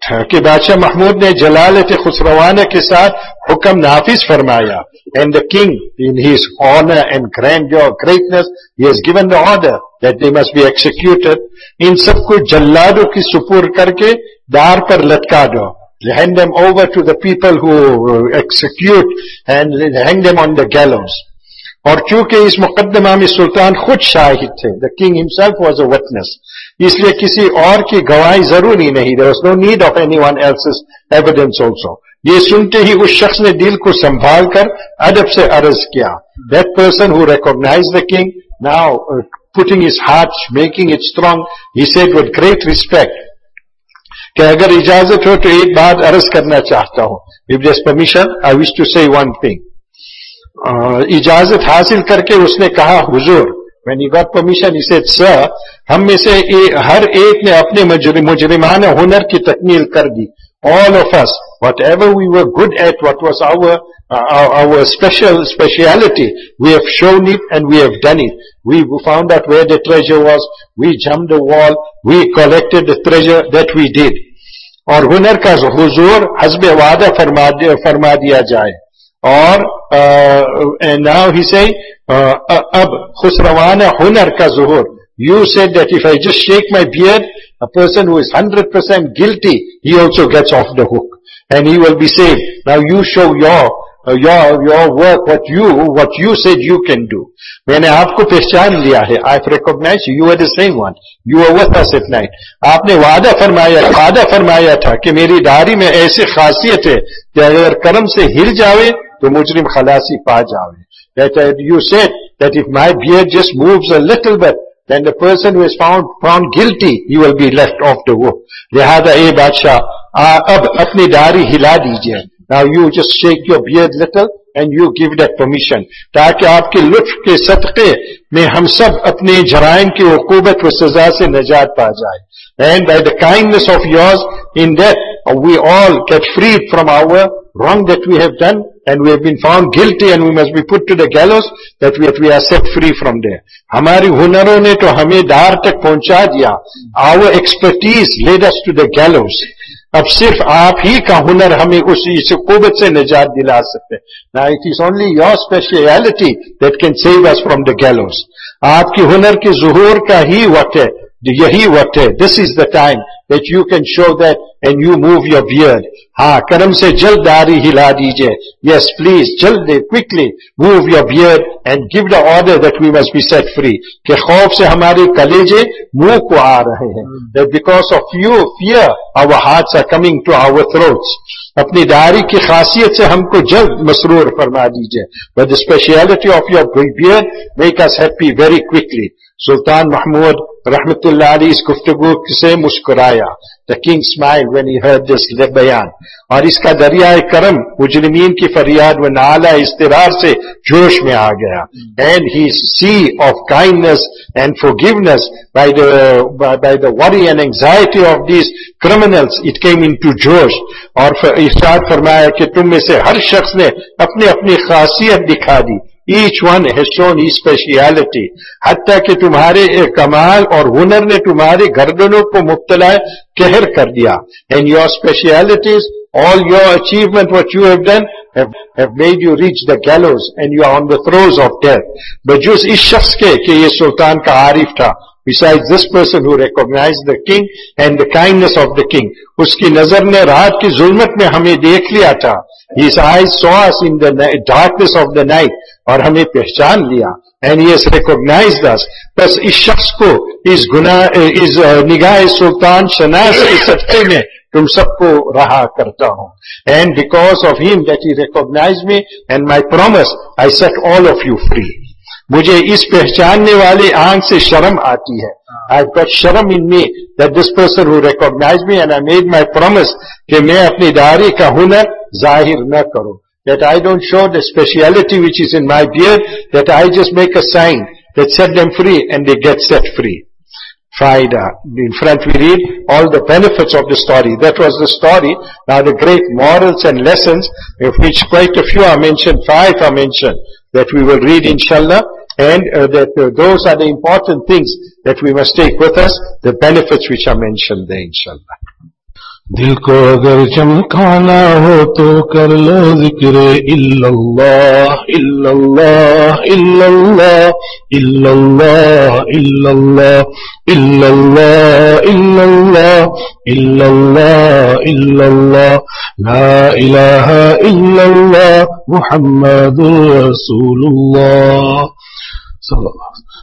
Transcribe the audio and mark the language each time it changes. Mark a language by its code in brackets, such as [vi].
[ur] کہ بادشاہ محمود نے جلالت خسروانہ کے ساتھ حکم نافذ فرمایا. [en] And the king, in his honor and grandeur, greatness, he has given the order that they must be executed. [ur] ان سب کو جلادوں کی سپور کر کے دار پر لٹکا دو. [en] Hand them over to the people who execute and hang them on the gallows. [ur] اور چونکہ اس مقدمہ میں سلطان خود شاہد تھے, [en] the king himself was a witness, [ur] اس لیے کسی اور کی گواہی ضروری نہیں, [en] there was no need of anyone else's evidence also. [ur] یہ سنتے ہی اس شخص نے دل کو سنبھال کر ادب سے عرض کیا. [en] That person who recognized the king, now putting his heart, making it strong, he said with great respect, [ur] کہ اگر اجازت ہو تو ایک بات عرض کرنا چاہتا ہوں. [en] If there's permission, I wish to say one thing. [ur] اجازت حاصل کر کے اس نے کہا, حضور, [en] when he got permission, he said, sir, [ur] ہم میں سے ہر ایک نے اپنے مجرمانہ ہنر کی تکمیل کر دی. [en] All of us, whatever we were good at, what was our speciality, we have shown it and we have done it. We found out where the treasure was, we jumped the wall, we collected the treasure, that we did. [ur] اور ہنر کا حضور حسب وعدہ فرما دیا جائے. اور [en] and now he say [ur] اب خسروانہ ہنر کا ظہور. [en] You said that if I just shake my beard, a person who is 100% guilty, he also gets off the hook and he will be saved. Now you show your work, what you said you can do. [ur] میں نے آپ کو پہچان لیا ہے. [en] I've recognized you are the same one. You were with us at night. [ur] آپ نے وعدہ فرمایا تھا کہ میری داری میں ایسی خاصیت ہے کہ اگر کرم سے ہل جاوے تو مجرم خلاصی پا جاوے. [en] That you said that if my beard just moves a little bit, then the person who is found guilty, he will be left off the hook. [ur] لہذا اے بادشاہ اب اپنی داری ہلا دیجئے. [en] Now you just shake your beard little and you give that permission. [ur] تاکہ آپ کے لطف کے صدقے میں ہم سب اپنے جرائم کی عقوبت و سزا سے نجات پا جائے. [en] And by the kindness of yours, in that we all get freed from our wrong that we have done, and we have been found guilty and we must be put to the gallows, that we are set free from there. [ur] ہماری ہنروں نے تو ہمیں دار تک پہنچا دیا. [en] Our expertise led us to the gallows. [ur] اب صرف آپ ہی کا ہنر ہمیں اس قوت سے نجات دلا سکتے ہیں. [en] Now it is only your speciality that can save us from the gallows. [ur] آپ کی ہنر کے ظہور کا ہی وقت ہے, یہی وقت ہے. [en] This is the time that you can show that and you move your beard. [ur] ہاں کرم سے جلد داری ہلا دیجئے. [en] Yes please, [ur] جلد [en] quickly move your beard and give the order that we must be set free. [ur] کہ خوف سے ہمارے کلیجے منہ کو آ رہے ہیں. [en] That because of you fear our hearts are coming to our throats. [ur] اپنی داری کی خاصیت سے ہم کو جلد مسرور فرما دیجئے. [en] But the speciality of your beard make us happy very quickly. [ur] سلطان محمود رحمت اللہ علیہ اس گفتگو سے مسکرایا. [en] The king smiled when he heard this بیان. [ur] اور اس کا دریائے کرم مجرمین کی فریاد و نالہ استرار سے جوش میں آ گیا. [en] And his sea of kindness and forgiveness by the worry and anxiety of these criminals, it came into جوش. [ur] اور ارشاد فرمایا کہ تم میں سے ہر شخص نے اپنی اپنی خاصیت دکھا دی. [en] Each one has shown his speciality. [ur] حتیٰ کہ تمہارے کمال اور ہنر نے تمہارے گردنوں کو مبتلا کہر کر دیا. [en] And your specialities, all your achievement what you have done have made you reach the gallows and you are on the throes of death. [ur] بجوز اس شخص کے کہ یہ سلطان کا عارف تھا. [en] Besides this person who recognized the king and the kindness of the king. [ur] اس کی نظر نے رات کی ظلمت میں ہمیں دیکھ لیا تھا. [en] His eyes saw us in the darkness of the night. [ur] اور ہمیں پہچان لیا. [en] And he has recognized us. [ur] بس اس شخص کو اس گناہ اس نگاہ سلطان شناس کے صدقے میں تم سب کو رہا کرتا ہوں. [en] And because of him that he recognized me and my promise, I set all of you free. [ur] مجھے اس پہچاننے والے آنکھ سے شرم آتی ہے. [en] I've got sharam in me that this person who recognized me and I made my promise [ur] کہ میں اپنی داری کا ہنر ظاہر نہ کروں. [en] That I don't show the speciality which is in my beard, that I just make a sign that set them free and they get set free. Fida, in front we read all the benefits of the story. That was the story. Now the great morals and lessons, of which quite a few are mentioned, 5 are mentioned, that we will read inshallah. And those are the important things that we must take with us, the benefits which are mentioned there inshallah. [ur] دل کو اگر چمکانا ہو تو کر لو ذکر [ar] الا اللہ الا اللہ الا اللہ الا اللہ الا اللہ الا اللہ الا اللہ الا اللہ الا اللہ لا الہ الا اللہ محمد رسول اللہ صلی اللہ علیہ وسلم.